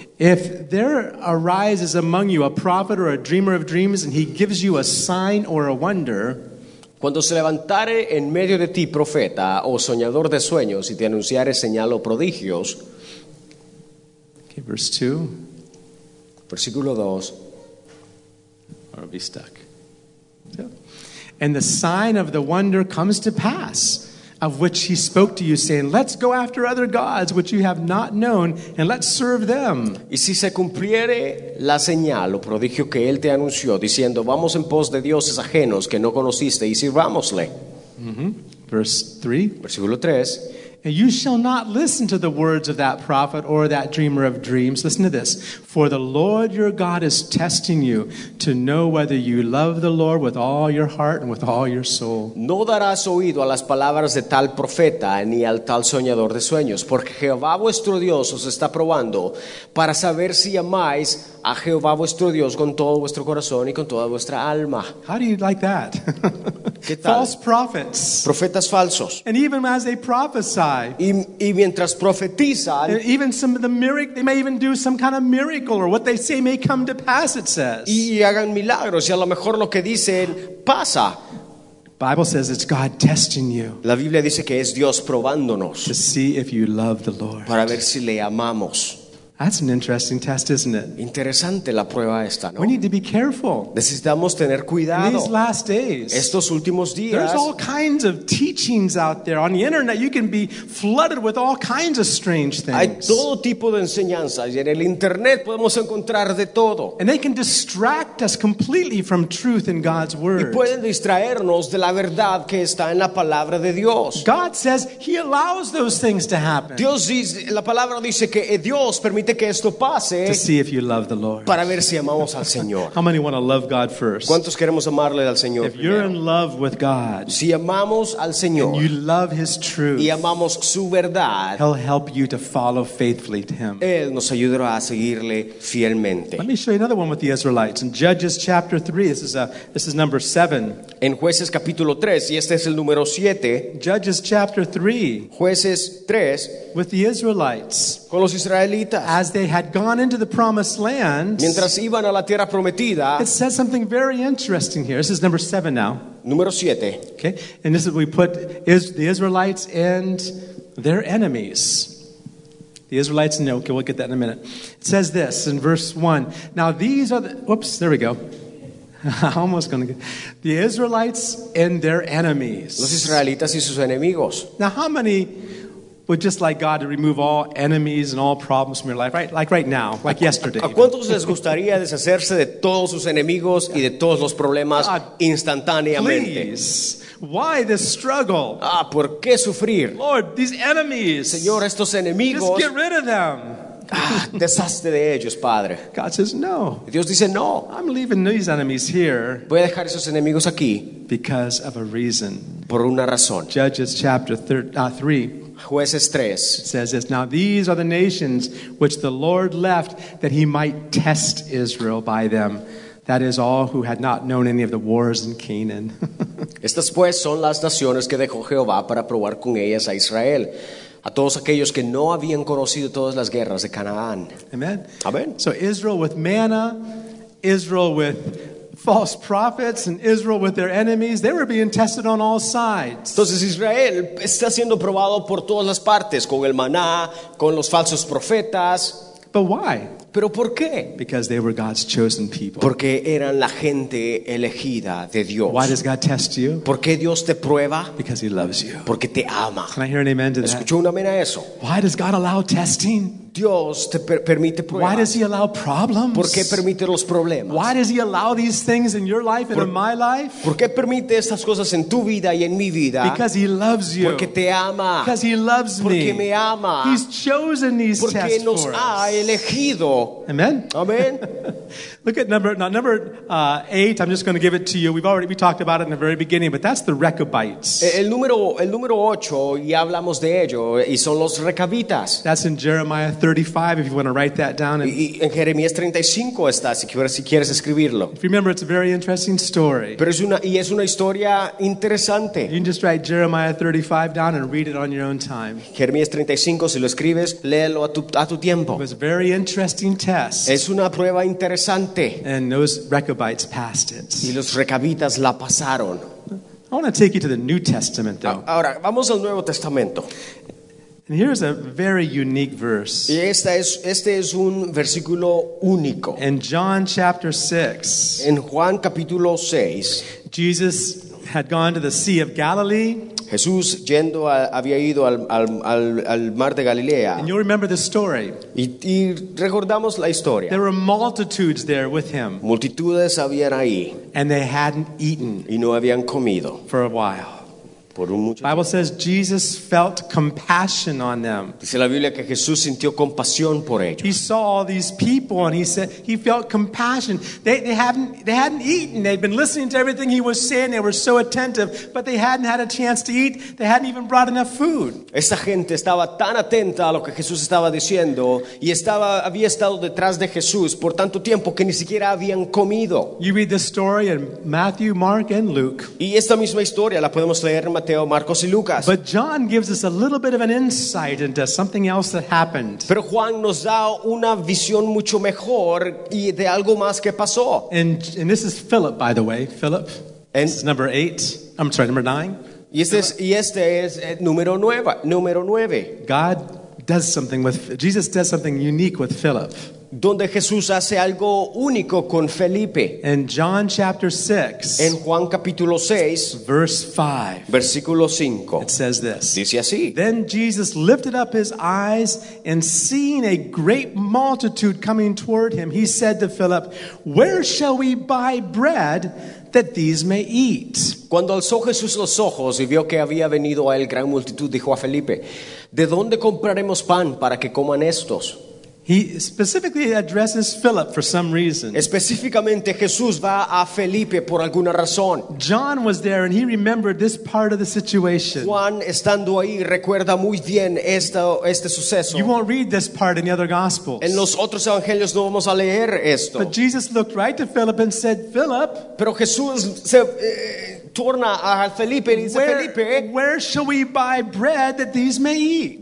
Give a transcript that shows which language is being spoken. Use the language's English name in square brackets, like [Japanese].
[English] If there arises among you a prophet or a dreamer of dreams, and he gives you a sign or a wonder. [Spanish] Cuando se levantare en medio de ti profeta o soñador de sueños y te anunciare señal o prodigios. [English] Okay, verse 2. [Spanish] Versículo 2. [English] Or be stuck. Yeah. And the sign of the wonder comes to pass, of which he spoke to you, saying, let's go after other gods, which you have not known, and let's serve them. [Spanish] Y si se cumpliere la señal o prodigio que él te anunció, diciendo, vamos en pos de dioses ajenos que no conociste, y sirvámosle. [English] Mm-hmm. Verse 3. [Spanish] Versículo 3. [English] And you shall not listen to the words of that prophet or that dreamer of dreams. Listen to this. For the Lord your God is testing you to know whether you love the Lord with all your heart and with all your soul. [Spanish] No darás oído a las palabras de tal profeta ni al tal soñador de sueños, porque Jehová vuestro Dios os está probando para saber si amáis a Jehová vuestro Dios con todo vuestro corazón y con toda vuestra alma. [English] How do you like that? [Spanish] ¿Qué tal? [English] False prophets. [Spanish] Profetas falsos. [English] And even as they prophesy. [Spanish] Y mientras profetizan. [English] Even some of the miracle, they may even do some kind of miracle. Or what they say may come to pass, it says. [Spanish] Y hagan milagros, y a lo mejor lo que dicen pasa. [English] Bible says it's God testing you. [Spanish] La Biblia dice que es Dios probándonos. [English] To see if you love the Lord. [Spanish] Para ver si le amamos. [English] That's an interesting test, isn't it? [Spanish] Interesante la prueba esta, ¿no? [English] We need to be careful. [Spanish] Necesitamos tener cuidado. [English] In these last days, [Spanish] estos últimos días, [English] there's all kinds of teachings out there on the internet. You can be flooded with all kinds of strange things. [Spanish] Hay todo tipo de enseñanzas y en el internet podemos encontrar de todo. [English] And they can distract us completely from truth in God's word. [Spanish] Y pueden distraernos de la verdad que está en la palabra de Dios. [English] God says He allows those things to happen. [Spanish] Dios dice, la palabra dice que Dios permite que esto pase [English] to see if you love the Lord. [Spanish] Para ver si amamos al Señor. [English] How many want to love God first? [Spanish] ¿Cuántos queremos amarle al Señor [English] if you're [Spanish] primero? [English] In love with God, [Spanish] si amamos al Señor, [English] and you love His truth, [Spanish] y amamos su verdad, [English] He'll help you to follow faithfully to Him. [Spanish] Él nos ayudará a seguirle fielmente. [English] Let me show you another one with the Israelites in Judges chapter 3. This is number 7. [Spanish] En Jueces capítulo 3, y este es el número 7. [English] Judges chapter 3. [Spanish] Jueces 3. [English] With the Israelites. [Spanish] Con los israelitas. [English] As they had gone into the promised land. [Spanish] Mientras iban a la tierra prometida. [English] It says something very interesting here. This is number 7 now. [Spanish] Número 7. [English] Okay. And this is we put is the Israelites and their enemies. The Israelites and okay, we'll get that in a minute. It says this in verse 1. Now these are the, whoops, there we go. Almost gonna get the Israelites and their enemies. [Spanish] Los israelitas y sus enemigos. [English] Now, how many would just like God to remove all enemies and all problems from your life, right? Like right now, like yesterday. [Spanish] ¿A cuántos les gustaría deshacerse de todos sus enemigos y de todos los problemas instantáneamente? [English] Please. Why this struggle? [Spanish] Ah, ¿por qué sufrir? [English] Lord, these enemies. [Spanish] Señor, estos enemigos. [English] Just get rid of them. [Spanish] Deshazte de ellos, Padre. [English] God says no. [Spanish] Dios dice no. [English] I'm leaving these enemies here. [Spanish] Voy a dejar esos enemigos aquí. [English] Because of a reason. [Spanish] Por una razón. [English] Judges chapter 3. [Spanish] Jueces 3. [English] It says this. Now these are the nations which the Lord left that He might test Israel by them. That is all who had not known any of the wars in Canaan. [Spanish] Estas pues son las naciones que dejó Jehová para probar con ellas a Israel. A todos aquellos que no habían conocido todas las guerras de Canaán. [English] Amen. [Spanish] Amen. [English] So Israel with manna, Israel with false prophets, and Israel with their enemies, they were being tested on all sides. [Spanish] Entonces Israel está siendo probado por todas las partes, con el maná, con los falsos profetas. [English] But why? [Spanish] ¿Pero por qué? [English] Because they were God's chosen people. [Spanish] Porque eran la gente elegida de Dios. [English] Why does God test you? [Spanish] ¿Por qué Dios te prueba? [English] Because He loves you. [Spanish] Porque te ama. [English] Can I hear an amen to that? [Spanish] ¿Escuchó un amén a eso? [English] Why does God allow testing? [Spanish] Dios te permite pruebas. [English] Why does He allow problems? [Spanish] ¿Por qué permite los problemas? [English] Why does He allow these things in your life and in my life? [Spanish] ¿Por qué permite estas cosas en tu vida y en mi vida? [English] Because He loves you. [Spanish] Porque te ama. [English] Because He loves [Spanish] porque Porque me ama. [English] He's chosen these [Spanish] porque [English] tests [Spanish] nos [English] for [Spanish] ha [English] us. [Spanish] Elegido. [English] Amen. [Spanish] Amen. [English] Look at number 8. I'm just going to give it to you. We talked about it in the very beginning, but that's the Rechabites. [Spanish] El número 8 y hablamos de ello y son los Recabitas. [English] That's in Jeremiah 35 if you want to write that down. [Spanish] En Jeremías 35 está si quieres escribirlo. [English] If you remember, it's a very interesting story. [Spanish] Pero es una historia interesante. [English] You can just write Jeremiah 35 down and read it on your own time. [Spanish] Jeremías 35 si lo escribes, léelo a tu tiempo. [English] It was a very interesting test. [Spanish] Es una prueba interesante. [English] And those Rechabites passed it. [Spanish] Y los Rechabitas la pasaron. [English] I want to take you to the New Testament, though. [Spanish] Ahora, vamos al Nuevo Testamento. [English] And here's a very unique verse. [Spanish] Y este es un versículo único. [English] In John chapter 6. [Spanish] En Juan capítulo 6. [English] Jesus had gone to the Sea of Galilee. [Spanish] Jesús yendo había ido al mar de Galilea. [English] And you remember the story. [Spanish] Y recordamos la historia. [English] There were multitudes there with him. [Spanish] Multitudes habían ahí. [English] And they hadn't eaten. [Spanish] Y no habían comido. [English] For a while. [Spanish] Por un mucho tiempo. [English] Bible says Jesus felt compassion on them. [Spanish] Dice la Biblia que Jesús sintió compasión por ellos. [English] He saw all these people and he said he felt compassion. They hadn't eaten. They'd been listening to everything he was saying. They were so attentive, but they hadn't had a chance to eat. They hadn't even brought enough food. [Spanish] Esa gente estaba tan atenta a lo que Jesús estaba diciendo y había estado detrás de Jesús por tanto tiempo que ni siquiera habían comido. [English] You read this story in Matthew, Mark, and Luke. [Spanish] Y esta misma historia la podemos leer Mateo, Marcos y Lucas. [English] But John gives us a little bit of an insight into something else that happened. [Spanish] Pero Juan nos da una visión mucho mejor y de algo más que pasó. [English] And this is Philip, by the way. Philip. And this is number 8. I'm sorry, number 9. [Spanish] Y este es número 9. [English] God does something with Jesus does something unique with Philip. [Spanish] Donde Jesús hace algo único con Felipe. [English] In John chapter 6, [Spanish] en Juan capítulo 6, [English] verse 5, [Spanish] versículo 5, [English] it says this. [Spanish] Dice así. [English] Then Jesus lifted up his eyes and seeing a great multitude coming toward him, he said to Philip, "Where shall we buy bread that these may eat?" [Spanish] Cuando alzó Jesús los ojos y vio que había venido a él gran multitud, dijo a Felipe, "¿De dónde compraremos pan para que coman estos?" [English] He specifically addresses Philip for some reason. [Spanish] Específicamente Jesús va a Felipe por alguna razón. [English] John was there and he remembered this part of the situation. [Spanish] Juan estando ahí recuerda muy bien este suceso. [English] You won't read this part in the other gospels. [Spanish] En los otros evangelios no vamos a leer esto. [English] But Jesus looked right to Philip and said, "Philip." [Spanish] Pero Jesús torna a Felipe y dice, Felipe, [English] where shall we buy bread that these may eat?